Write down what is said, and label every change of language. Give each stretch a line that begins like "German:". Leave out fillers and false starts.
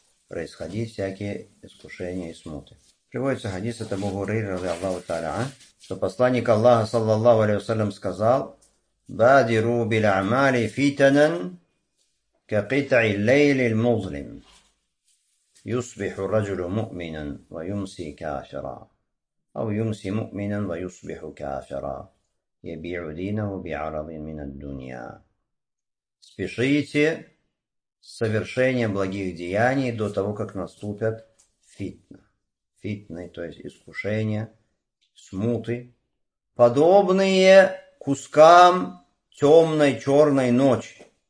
Russian: Происходить всякие искушения и смуты. Приводится хадис от Абу Хурейры
Arabic: رضي الله تعالى,
Russian: что посланник Аллаха саллаллаху алейхи ва саллям сказал:
Arabic: «Бадиру биль амали фитанан ка китъи лейли аль-музлим. Юсбиху раджулу муъминан ва юмси кафира». أو يمسي مؤمنا ويصبح كافرا يبيع دينه بعرض من الدنيا.
Russian: Спешите с совершением благих деяний до того, как наступят фитны. Фитны, то есть искушения, смуты, подобные кускам темной черной ночи.